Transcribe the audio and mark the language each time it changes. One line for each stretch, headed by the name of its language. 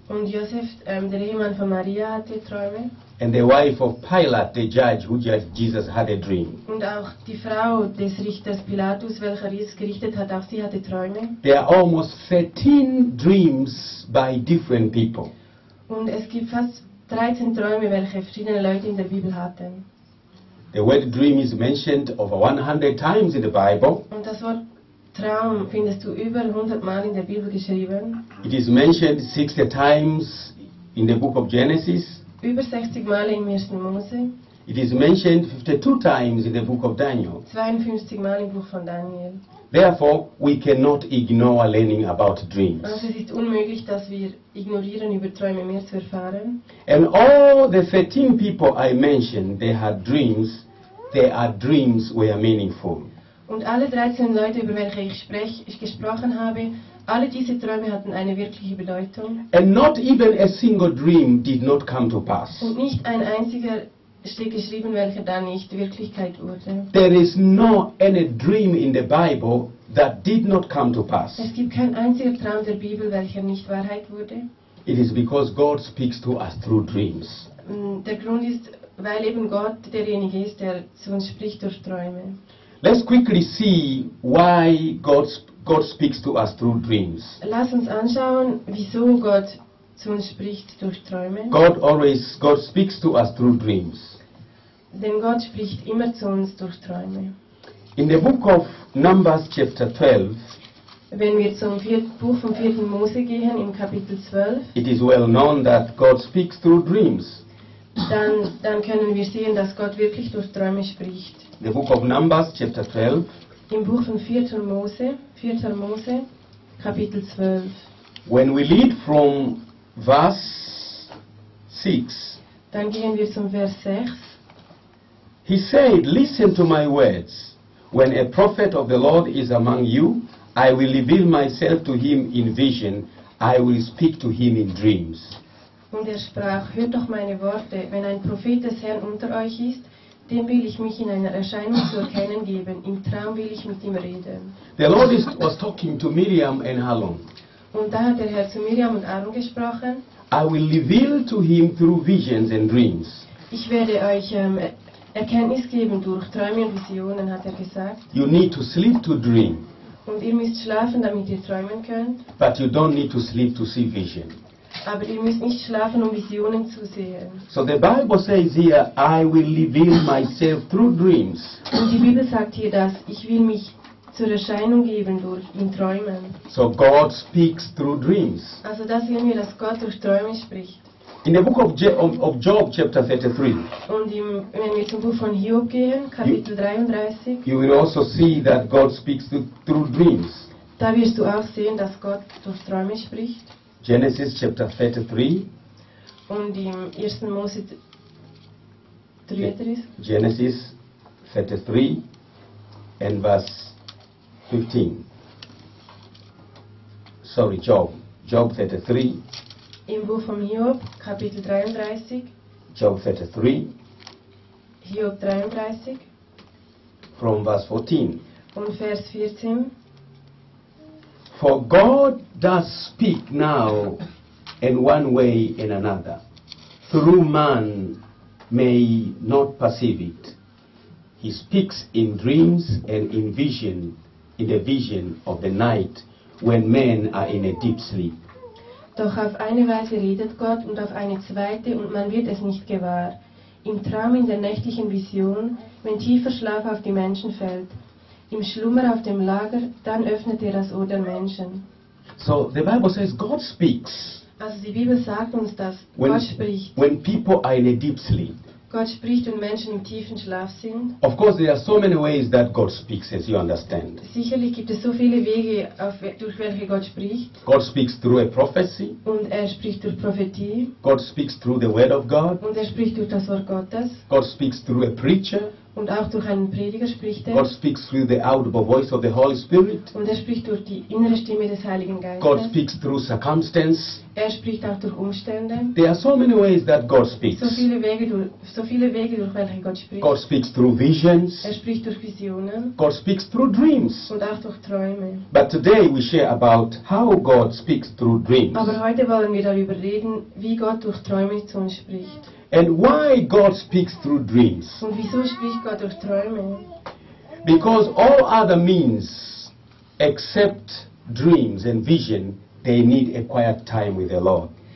German: Und Joseph, der Ehemann von Maria, hatte Träume.
English: And the wife of Pilate, the judge who judged Jesus, had a dream.
German: Und auch die Frau des Richters Pilatus, welcher Jesus gerichtet hat, auch sie hatte Träume.
English: There are almost 13 dreams by different people.
German: Und es gibt fast 13 Träume, welche verschiedene Leute in der Bibel hatten.
English: The word dream is mentioned over 100 times in the Bible.
German: Und das Wort Traum findest du über 100 Mal in der Bibel geschrieben.
English: It is mentioned 60 times in the book of Genesis.
German: Über 60 Mal im 1. Mose.
English: It is mentioned 52 times in the book of Daniel.
German: 52 Mal im Buch von Daniel.
English: Therefore, we cannot ignore learning about dreams.
German: Also es ist unmöglich, dass wir ignorieren, über Träume mehr zu erfahren.
English: And all the 13 people I mentioned, they had dreams. Their dreams were meaningful.
German: Und alle 13 Leute, über welche ich gesprochen habe, alle diese Träume hatten eine wirkliche Bedeutung.
English: And not even a single dream did not come to pass.
German: Und nicht ein einziger steht geschrieben, welcher dann nicht Wirklichkeit wurde.
English: There is not any dream in the Bible that did not come to pass.
German: Es gibt keinen einzigen Traum der Bibel, welcher nicht Wahrheit wurde.
English: It is because God speaks to us through dreams.
German: Der Grund ist, weil eben Gott derjenige ist, der zu uns spricht durch Träume.
English: Let's quickly see why God speaks to us through dreams.
German: Lass uns anschauen, wieso Gott zu uns spricht durch Träume.
English: God speaks to us through dreams.
German: Denn Gott spricht immer zu uns durch Träume.
English: In the book of Numbers chapter 12,
German: wenn wir zum Buch vom 4. Mose gehen, im Kapitel 12,
English: it is well known that God speaks through dreams.
German: Dann können wir sehen, dass Gott wirklich durch Träume spricht.
English: The book of Numbers, chapter 12.
German: Im Buch von 4. Mose, Kapitel 12.
English: When we read from verse 6.
German: Dann gehen wir zum Vers 6.
English: He said, listen to my words. When a prophet of the Lord is among you, I will reveal myself to him in vision. I will speak to him in dreams.
German: Und er sprach, hört doch meine Worte. Wenn ein Prophet des Herrn unter euch ist, dem will ich mich in einer Erscheinung zu erkennen geben. Im Traum will ich mit ihm reden.
English: The Lord was talking to Miriam and Aaron.
German: Und da hat der Herr zu Miriam und Aaron gesprochen.
English: I will reveal to him through visions and dreams.
German: Ich werde euch Erkenntnis geben durch Träume und Visionen, hat er gesagt.
English: You need to sleep to dream.
German: Und ihr müsst schlafen, damit ihr träumen könnt.
English: But you don't need to sleep to see vision.
German: Aber ihr müsst nicht schlafen, um Visionen zu sehen.
English: So the Bible says here, I will reveal myself through dreams.
German: Und die Bibel sagt hier, dass ich will mich zur Erscheinung geben durch in Träumen.
English: So God speaks through dreams.
German: Also da sehen wir, dass Gott durch Träume spricht.
English: In the book of Job, chapter 33.
German: Und wenn wir zum Buch von Hiob gehen, Kapitel 33.
English: You will also see that God speaks through dreams.
German: Da wirst du auch sehen, dass Gott durch Träume spricht.
English: Genesis chapter 33.
German: Und im 1. Mose 33.
English: Genesis 33 and verse 15. Sorry, Job 33.
German: Im Buch von Hiob, Kapitel 33.
English: Job 33.
German: Hiob 33.
English: From verse 14.
German: Und Vers 14.
English: For God does speak now in one way and another, through man may not perceive it. He speaks in dreams and in vision, in the vision of the night, when men are in a deep sleep.
German: Doch auf eine Weise redet Gott und auf eine zweite und man wird es nicht gewahr. Im Traum, in der nächtlichen Vision, wenn tiefer Schlaf auf die Menschen fällt. Im Schlummer auf dem Lager, dann öffnet er das Ohr der Menschen.
English: So, the Bible says God speaks.
German: Also die Bibel sagt uns, dass Gott spricht.
English: When people are in a deep sleep.
German: Gott spricht, wenn Menschen im tiefen Schlaf sind.
English: Of course, there are so many ways that God speaks, as you understand.
German: Sicherlich gibt es so viele Wege, durch welche Gott spricht.
English: God speaks through a prophecy.
German: Und er spricht durch Prophetie.
English: God speaks through the Word of God.
German: Und er spricht durch das Wort Gottes.
English: God speaks through a preacher.
German: Und auch durch einen Prediger spricht er.
English: God speaks through the audible voice of the Holy Spirit.
German: Und er spricht durch die innere Stimme des Heiligen Geistes.
English: God speaks through circumstances.
German: Er spricht auch durch Umstände.
English: There are so many ways that God speaks.
German: So viele Wege, durch welche Gott spricht.
English: God speaks through visions.
German: Er spricht durch Visionen.
English: God speaks through dreams.
German: Und auch durch Träume.
English: But today we share about how God speaks through dreams.
German: Aber heute wollen wir darüber reden, wie Gott durch Träume zu uns spricht.
English: And why God speaks through dreams?
German: Und wieso spricht Gott durch Träume?
English: Because all other means except dreams and vision, they need a quiet time with the Lord.